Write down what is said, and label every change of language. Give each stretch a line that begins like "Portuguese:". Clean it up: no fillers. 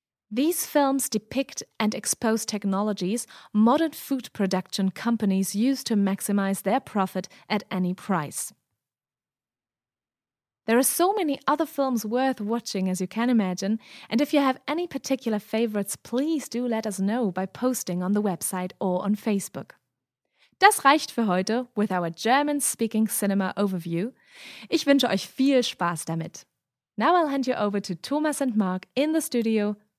English: These films depict and expose technologies modern food production companies use to maximize their profit at any price. There are so many other films worth watching, as you can imagine, and if you have any particular favorites, please do let us know by posting on the website or on Facebook.
German: Das reicht für heute
English: with our German-speaking cinema overview.
German: Ich wünsche euch viel Spaß damit.
English: Now I'll hand you over to Thomas and Mark in the studio.